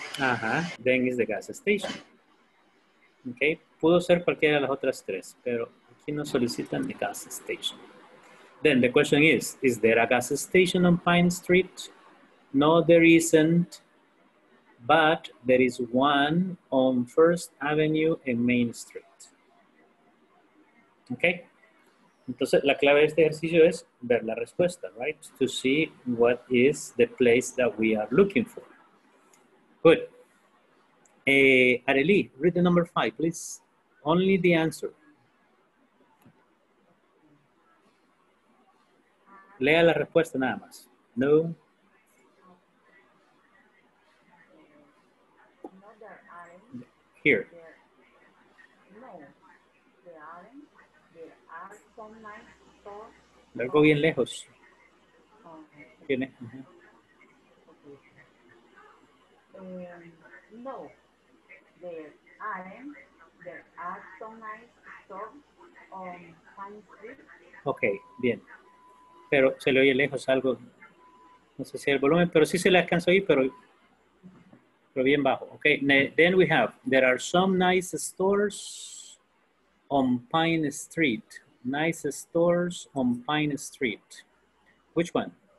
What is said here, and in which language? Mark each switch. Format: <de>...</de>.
<es>Ajá,</es> <en>then is the gas station.</en> <es>Okay, pudo ser cualquiera de las otras tres, pero aquí Aquí nos solicitan</es> <en>the gas station. Then the question is there a gas station on Pine Street? No, there isn't, but there is one on First Avenue and Main Street. Okay?</en> <es>Entonces, la clave de este ejercicio es ver la respuesta, right?</es> <en>To see what is the place that we are looking for. Good. Arely, read the number 5, please. Only the answer.</en> <es>Lea la respuesta nada más. No.</es> <en>Here.</en> <es>Algo bien lejos. ¿Tiene? No.</es> <en>There are some nice stores on Pine Street.</en> <es>Okay, bien. Pero se le oye lejos algo. No sé si es el volumen, pero sí se le alcanzó ahí, pero bien bajo.</es> <en>Okay, then we have, there are some nice stores on Pine Street. Nice stores on Pine Street. Which one?</en>